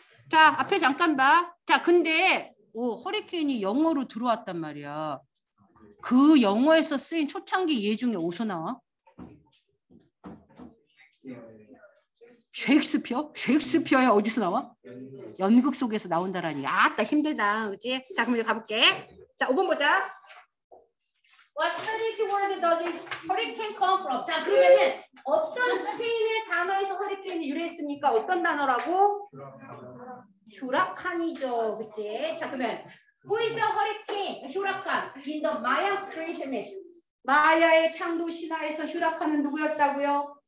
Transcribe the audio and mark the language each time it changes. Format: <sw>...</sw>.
<ko>자, 앞에 잠깐 봐. 자, 근데 허리케인이 영어로 들어왔단 말이야. 그 영어에서 쓰인 초창기 예 중에 어디서 나와? 셰익스피어? 셰익스피어야 어디서 나와? 연극 속에서 나온다라니. 아따, 힘들다. 그렇지? 자, 그럼 이제 가볼게. 자, 5번 보자.</ko> <en>What Spanish word does hurricane come from?</en> <ko>자, 그러면은 어떤 스페인의 단어에서 허리케인이 유래했습니까? 어떤 단어라고? 휴라칸이죠, 그치? 자, 그러면</ko> <en>who is a hurricane? 휴라칸 in the Maya creation myth?</en> <ko>마야의 창도 신화에서 휴라칸은 누구였다고요?</ko>